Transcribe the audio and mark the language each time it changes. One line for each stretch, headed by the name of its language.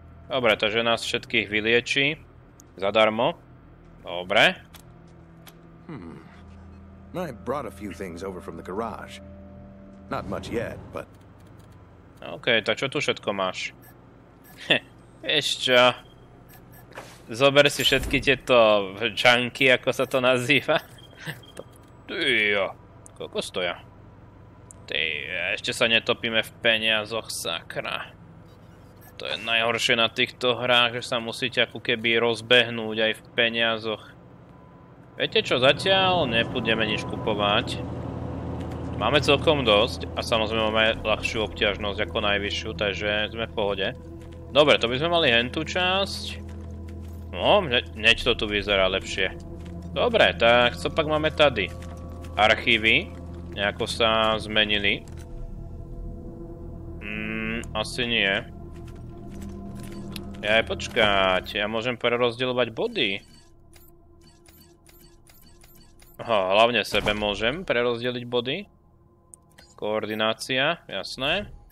Slovak: Dobre, takže nás všetkých vylieči. Zadarmo. Dobre.
English: I brought a few things over from the garage. Not much yet, but...
Slovak: OK, tak čo tu všetko máš? Vieš čo? Zober si všetky tieto junky, ako sa to nazýva. Tyjo. Koľko stoja? Tyjo, ešte sa netopíme v peniazoch, sakra. To je najhoršie na týchto hrách, že sa musíte ako keby rozbehnúť aj v peniazoch. Viete čo, zatiaľ nebudeme nič kupovať. Máme celkom dosť a samozrejme máme ľahšiu obťažnosť ako najvyššiu, takže sme v pohode. Dobre, to by sme mali hentú časť. No, hneď to tu vyzerá lepšie.
Czech: Dobre, tak co pak máme tady?
Slovak: Archívy nejako sa zmenili. Asi nie. Ja aj počkať, ja môžem prerozdeľovať body. Aha, hlavne sebe môžem prerozdeliť body. Koordinácia, jasné.